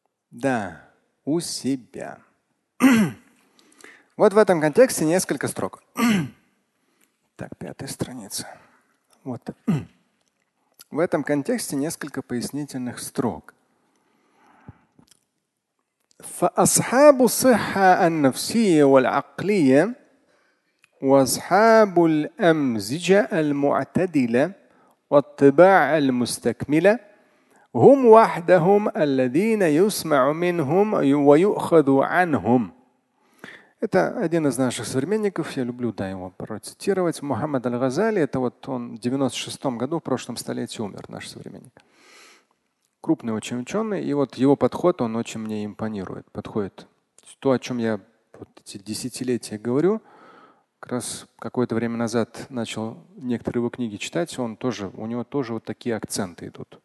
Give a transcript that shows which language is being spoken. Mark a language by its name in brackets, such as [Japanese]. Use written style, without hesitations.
[Russian] Да, у себя. Вот в этом контексте несколько строк. Так, пятая страница. Вот. В этом контексте несколько пояснительных строк. [Arabic] فأصحاب الصحة النفسية والعقلية وأصحاب الأمزجة المعتدلة والطباع المستكملة هم وحدهم الذين يسمع منهم ويؤخذ عنهم. [Russian] Это один из наших современников, я люблю, да, его процитировать. Мухаммад аль-Газали, это вот он в 96-м году, в прошлом столетии умер, наш современник. Крупный очень ученый, и вот его подход, он очень мне импонирует, подходит. То, о чем я вот эти десятилетия говорю, как раз какое-то время назад начал некоторые его книги читать, он тоже, у него тоже вот такие акценты идут.